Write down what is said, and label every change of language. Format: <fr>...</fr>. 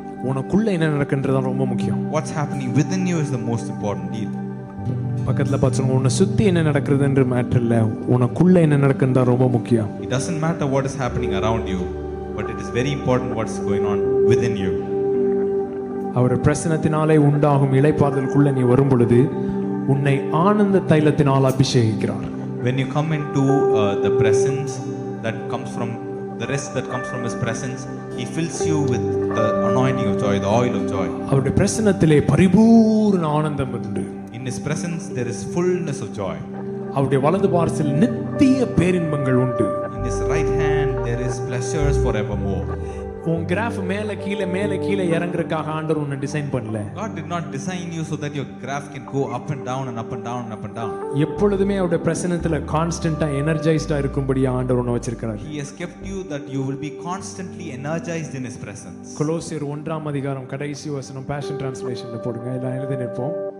<ta>உனக்குள்ள என்ன நடக்குன்றது ரொம்ப முக்கியம்.</ta> <en>What's happening within you is the most important deal.</en> <ta>பக்கத்துல பார்த்தா உன்ன சுத்தி என்ன நடக்குதுன்ற மேட்டர் இல்ல, உனக்குள்ள என்ன நடக்குதா ரொம்ப முக்கியம்.</ta> <en>It doesn't matter what is happening around you, but it is very important what's going on within you.</en> <ta>அவர் பிரசன்னத்தினாலே உண்டாகும் இளைப்பாறுதலுக்குள்ள நீ வரும் பொழுது உன்னை ஆனந்த தைலத்தினால் அபிஷேகிக்கிறார்.</ta> <en>When you come into the presence that comes from the rest that comes from his presence, he fills you with the anointing of joy, the oil of joy.</en> <ta>அவருடைய பிரசன்னத்திலே பரிபூர்ண ஆனந்தம் உண்டு.</ta> <en>In his presence there is fullness of joy.</en> <ta>அவருடைய வலது பார்சில் நித்திய பேரின்பங்கள் உண்டு.</ta> <en>In his right hand there is pleasures forevermore.</en> <ta>உன் graph மேலே கீழே இறங்கறதுக்காக ஆண்டவர் உன்னை டிசைன் பண்ணல.</ta> <en>God did not design you so that your graph can go up and down and up and down and up and down.</en> <ta>எப்பொழுதுமே அவருடைய பிரசன்னத்தில கான்ஸ்டன்ட்டா எனர்ஜைஸ்டா இருக்கும்படி ஆண்டவர் உன்னை வச்சிருக்கிறார்.</ta> <en>He has kept you that you will be constantly energized in his presence.</en> <ta>கொலோசியர் 1 அதிகாரம் கடைசி வசனம் பாஷன் டிரான்ஸ்லேஷன்ல போடுங்க, எல்லாம் எழுதி நிற்போம்.</ta>